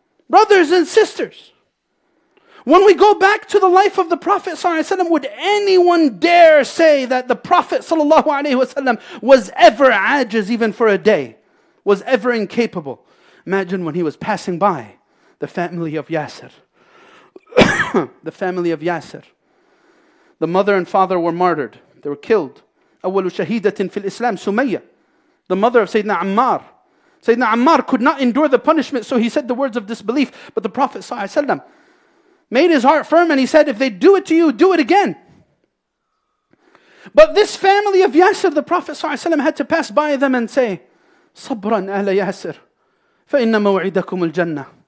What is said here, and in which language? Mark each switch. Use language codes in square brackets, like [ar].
[en] Brothers and sisters, when we go back to the life of the Prophet ﷺ, would anyone dare say that the Prophet ﷺ was ever ajiz even for a day? Was ever incapable? Imagine when he was passing by the family of Yasir. The family of Yasir. The mother and father were martyred. They were killed. [ar] أول شهيدة في الإسلام سمية. [en] The mother of Sayyidina Ammar. Sayyidina Ammar could not endure the punishment, so he said the words of disbelief. But the Prophet ﷺ made his heart firm and he said, if they do it to you, do it again. But this family of Yasir, the Prophet ﷺ had to pass by them and say, [ar] صَبْرًا أَهْلَ يَاسِرْ فَإِنَّ مَوْعِدَكُمُ الْجَنَّةِ.